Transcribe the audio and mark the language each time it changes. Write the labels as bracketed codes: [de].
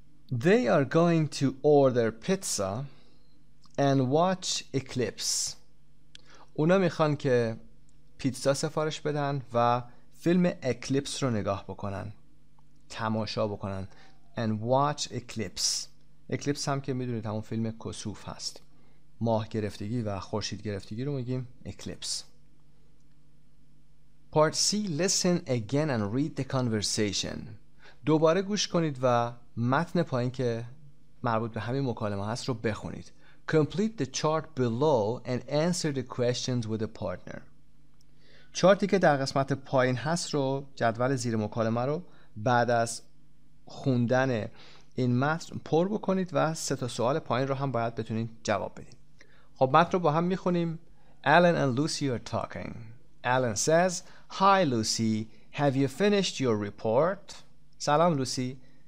[en] They are going to order pizza and watch Eclipse. [fa] اونا میخوان که پیتزا سفارش بدن و فیلم Eclipse رو نگاه بکنن، تماشا بکنن. [en] And watch Eclipse. [fa] Eclipse هم که میدونید همون فیلم کسوف هست، ماه گرفتگی و خورشید گرفتگی رو میگیم Eclipse. [en] Part C, listen again and read the conversation. [fa] دوباره گوش کنید و متن پایین که مربوط به همین مکالمه هست رو بخونید. [en] Complete the chart below and answer the questions with a partner. [fa] چارتی که در قسمت پایین هست رو، جدول زیر مکالمه رو، بعد از خوندن این متن پر بکنید و سه تا سوال پایین رو هم باید بتونید جواب بدید. خب متن رو با هم میخونیم. [en] Alan and Lucy are talking. Alan says, Hi Lucy, have you finished your report? [fa] سلام لوسی،